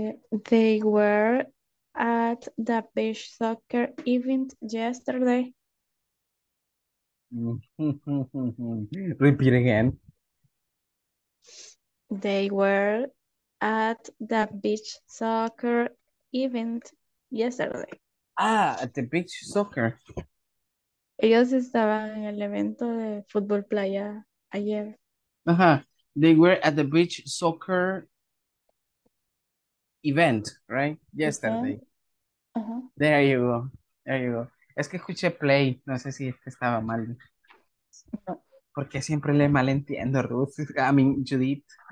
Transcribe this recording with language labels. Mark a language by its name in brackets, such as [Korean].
[English] They were at the beach soccer event yesterday. Repeat again. They were at the beach soccer event yesterday. Ah, at the beach soccer. [Spanish] Ellos estaban en el evento de fútbol playa ayer. Uh-huh. [English] They were at the beach soccer event, right? Yesterday. Uh-huh. There you go. There you go. [Spanish] Es que escuché play. No sé si estaba mal. Porque siempre le malentiendo, Ruth. [English] I mean, [Spanish] Judith.